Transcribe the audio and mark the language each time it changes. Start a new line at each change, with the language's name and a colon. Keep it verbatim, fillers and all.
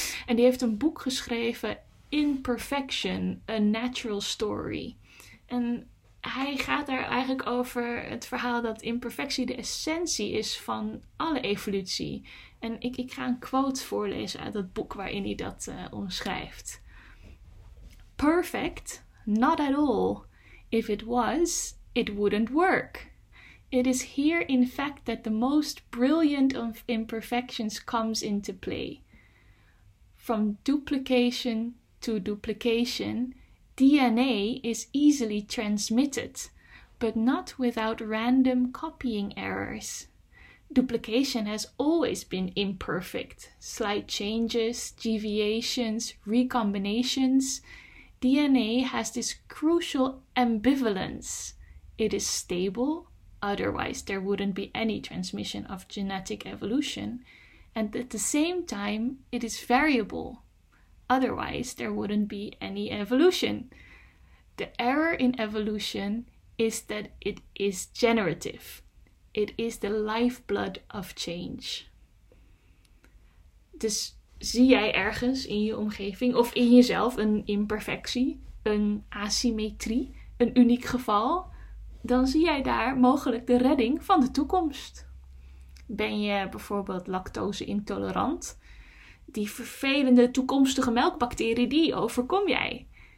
Dutch: En die heeft een boek geschreven, Imperfection, A Natural Story. En hij gaat daar eigenlijk over het verhaal dat imperfectie de essentie is van alle evolutie. En ik, ik ga een quote voorlezen uit dat boek waarin hij dat uh, omschrijft.
English: Perfect? Not at all. If it was, it wouldn't work. It is here in fact that the most brilliant of imperfections comes into play. From duplication to duplication, D N A is easily transmitted, but not without random copying errors. Duplication has always been imperfect. Slight changes, deviations, recombinations. D N A has this crucial ambivalence. It is stable, otherwise there wouldn't be any transmission of genetic evolution. And at the same time, it is variable. Otherwise, there wouldn't be any evolution. The error in evolution is that it is generative. It is the lifeblood of change.
Dutch: Dus zie jij ergens in je omgeving of in jezelf een imperfectie, een asymmetrie, een uniek geval, dan zie jij daar mogelijk de redding van de toekomst. Ben je bijvoorbeeld lactose-intolerant? Die vervelende toekomstige melkbacterie, die overkom jij.